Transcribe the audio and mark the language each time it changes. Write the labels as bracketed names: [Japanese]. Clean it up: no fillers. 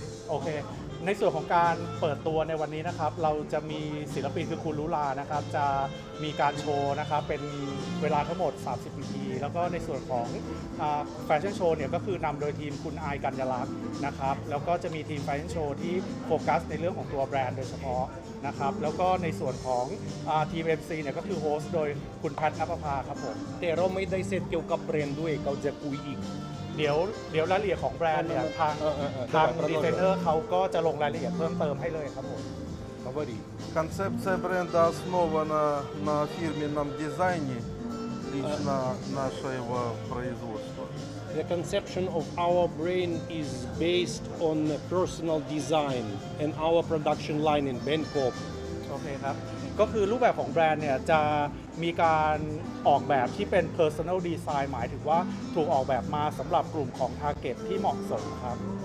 [Thai] โอเคในส่วนของการเปิดตัวในวันนี้นะครับเราจะมีศิลปินคือคุณลุลานะครับจะมีการโชว์นะครับเป็นเวลาทั้งหมด30นาทีแล้วก็ในส่วนของแฟชั่นโชว์เนี่ยก็คือนำโดยทีมคุณไอกัญญลักษณ์นะครับแล้วก็จะมีทีมแฟชั่นโชว์ที่โฟกัสในเรื่องของตัวแบรนด์โดยเฉพาะนะครับแล้วก็ในส่วนของทีม MC เนี่ยก็คือโฮสต์โดยคุณพัฒน์อัปภาครับผม แต่เราไม่ได้เสร็จเกี่ยวกับแบรนด์ด้วยเราจะคุยอีก เดี๋ยวรายละเอียดของแบรนด์เนี่ยทางดีไซเนอร์เขาก็จะลงรายละเอียดเพิ่มเติมให้เลยครับผม ครับพอดี คอนเซ็ปต์แบรนด์ [Russian] основана на фирменном дизайне лично нашего производства [English] The conception of our brand is based on personal design and our production line in Bangkok [Thai] โอเคครับก็คือรูปแบบของแบรนด์เนี่ยจะมีการออกแบบที่เป็น personal design หมายถึงว่าถูกออกแบบมาสำหรับกลุ่มของ target ที่เหมาะสมครับ